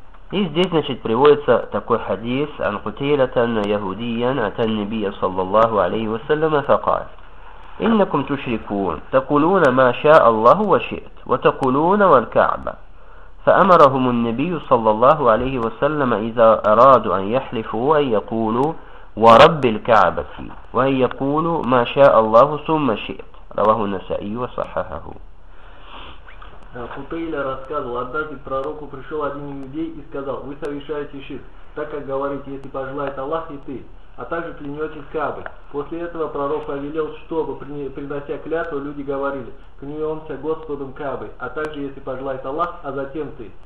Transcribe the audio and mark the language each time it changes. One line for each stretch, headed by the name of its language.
Russian: И здесь, значит, приводится такой хадис
Arabic: «Ан кутилятан яхудиян атан небия саллаллаху алейхи вассаляма факаль «Иннакум тушрикун, такулуна ма ша Аллаху ва шиит, ва такулуна ва ль-каъба». فأمرهم النبي صلى الله عليه وسلم إذا أرادوا أن يحلفوا أن يقولوا ورب الكعبة وهي يقول ما شاء الله ثم شئت. رواه النسائي وصححه.
Russian: Футейля рассказывал, однажды к пророку пришел один иудей и сказал, вы совершаете ширк, так как говорите, если пожелает Аллах и ты, а также клянетесь Каабой. После этого пророк повелел, чтобы, принося клятву, люди говорили, клянемся Господом Каабой, а также, если пожелает Аллах, а затем ты.